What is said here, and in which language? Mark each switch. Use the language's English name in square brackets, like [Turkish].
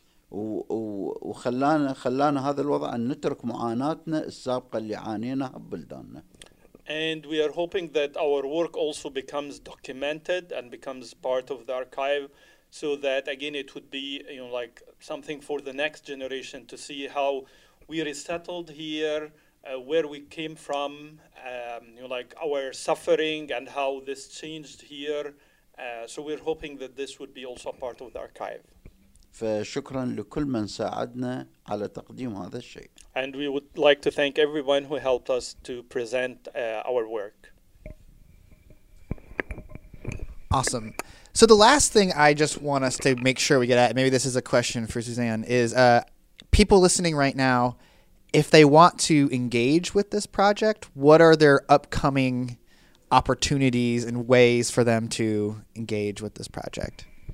[Arabic] وخلانا خلانا هذا الوضع أن نترك معاناتنا السابقة اللي عانيناها ببلداننا. [English] And we are hoping that our work also becomes documented and becomes part of the archive, so that again it would be, you know, like something for the next generation to see how we resettled here, where we came from, you know, like our suffering and how this changed here. So we're hoping that this would be also part of the archive. [Arabic] فشكرا لكل من ساعدنا على تقديم هذا الشيء. [English] And we would like to thank everyone who helped us to present our work. Awesome. So the last thing I just want us to make sure we get at, maybe this is a question for Suzanne, is people listening right now, if they want to engage with this project, what are their upcoming opportunities and ways for them to engage with this project?